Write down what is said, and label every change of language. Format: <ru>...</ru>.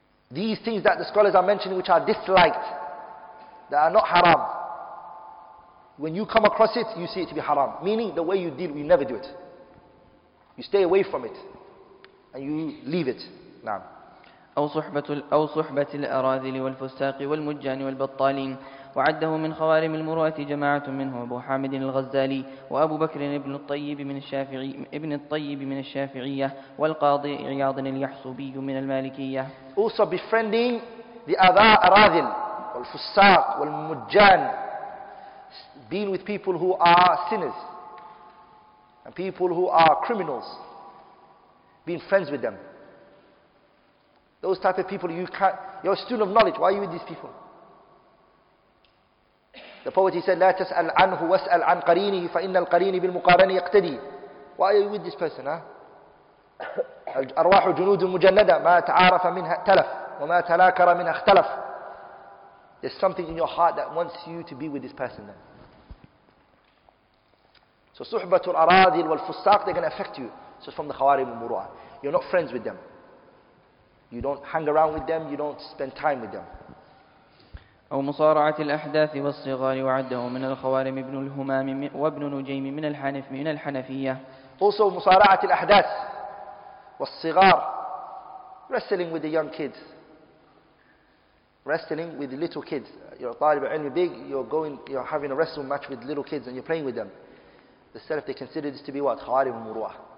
<en>These things that the scholars are mentioning which are disliked, that are not haram, when you come across it, you see it to be haram. Meaning the way you deal, you never do it. You stay away from it and you leave it. Naam.</en> <ar>أو صحبة الأراذل والفساق والمجان والبطالين. وعده من خوارم المروءة جماعة منهم أبو حامد الغزالي وأبو بكر ابن الطيب من الشافعي ابن الطيب من الشافعية والقاضي عياض اليحصبي من المالكية.</ar> <en>Also befriending the other</en> <ar>أراذل والفساق والمجان,</ar> <en>being with people who are sinners and people who are criminals, being friends with them. Those type of people, you can't, you're a student of knowledge, why are you with these people? The poet, he said,</en> <ar>لَا تَسْأَلْ عَنْهُ وَاسْأَلْ عَنْ قَرِينِهِ فَإِنَّ الْقَرِينِ بِالْمُقَارَنِ يَقْتَدِي.</ar> <en>Why are you with this person?</en> <ar>أَرْوَاحُ جُنُودٌ مُجَنَّدَ مَا تَعَارَفَ مِنْهَا تَلَفْ وَمَا تَلَاكَرَ مِنْهَا اخْتَلَفْ.</ar> <en>There's something in your heart that wants you to be with this person then. So</en> <ar>صُحْبَةُ الْأَرَاذِلْ وَالْفُسَّاقِ,</ar> <en>they're going to affect you. So it's from the خَوَارِمُ الْمُرُوعَ. You're not friends with them. You don't hang around with them. You don't spend time with them.</en> <ar>أو مصارعة الأحداث والصغار, وعده من الخوارم ابن الهمام وابن نجيم من الحنف من الحنفية.</ar> <en>Also</en> <ar>مصارعة الأحداث والصغار,</ar> <en>wrestling with the young kids, wrestling with the little kids. You're a طالب علم big, you're going, you're having a wrestling match with little kids and you're playing with them. The Salaf, they consider this to be what?</en> <ar>خوارم المروءة.</ar>